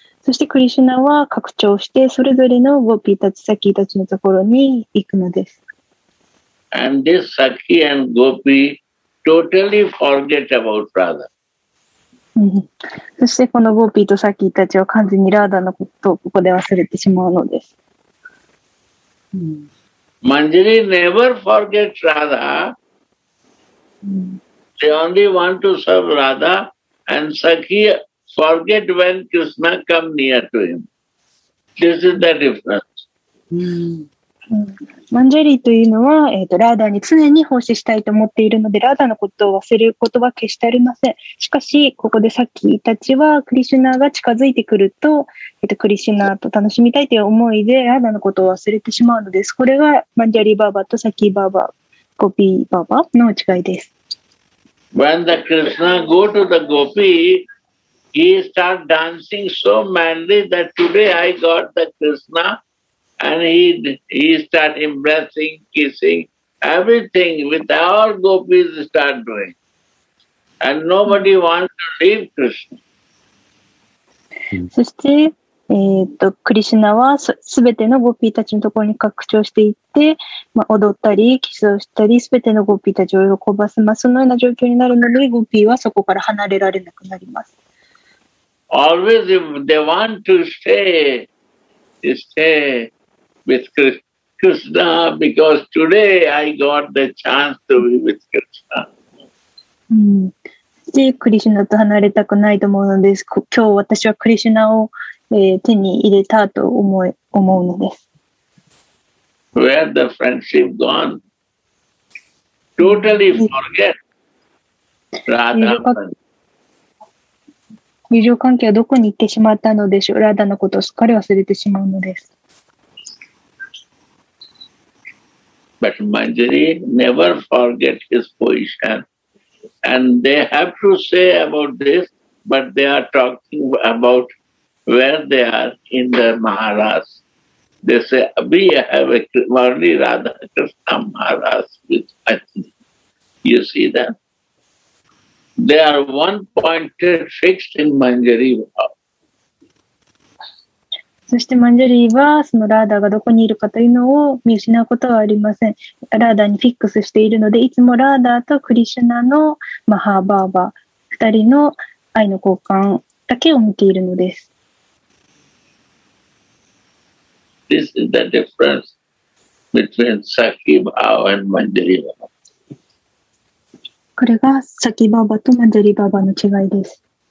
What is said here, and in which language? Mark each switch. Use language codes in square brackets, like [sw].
[ja] そしてクリシュナは拡張して、それぞれのゴピーたち、サキたちのところに行くのです。 [en] And this Saki and Gopi totally forget about Radha. [ja] そしてこのゴーピーとサキーたちは完全にラーダのことをここで忘れてしまうのです。 [en] Manjari never forgets Radha. They only want to serve Radha and Saki forget when Krishna come near to him. This is the difference. [ja] Manjari というのは、ラーダに常に奉仕したいと思っているので、ラーダのことを忘れることは決してありません。しかし、ここでさっきたちは、クリシュナが近づいてくると、クリシュナと楽しみたいという思いで、ラーダのことを忘れてしまうのです。これが、マンジャリバーバーとサキーバーバー、ゴピーバーバーの違いです。 [en] When the Krishna go to the Gopi, he start dancing so madly that today I got the Krishna. And he start embracing, kissing, everything with all gopis start doing. And nobody wants to leave Krishna. [ja] そして、クリシュナはすべてのゴピーたちのところに拡張していって、まあ、踊ったり、キスをしたり、すべてのゴピーたちを喜ばせます。そのような状況になるので、ゴピーはそこから離れられなくなります。 [en] Always if they want to stay, stay. with Krishna because today I got the chance to be with Krishna. [ja] で、クリシュナと離れたくないと思うのです。今日私はクリシュナを、手に入れたと思うのです。 [en] Where the friendship gone? Totally forget. [ja] 友情関係はどこに行ってしまったのでしょう。ラダのことをすっかり忘れてしまうのです。 [en] But Manjari never forget his position. And they have to say about this, but they are talking about where they are in the Maharas. They say, we have a Varli Radha Krishna Maharas with Ajni. You see that? They are one point fixed in Manjari Bhav. [ja] そしてマンジュリーはそのラーダがどこにいるかというのを見失うことはありません。ラーダにフィックスしているので、いつもラーダとクリシュナのマハーバーバー、二人の愛の交換だけを見ているのです。 [en] This is the difference between Sakhi Baba and Manjari Baba. [ja] これがサキバーバとマンジュリーバーバーの違いです。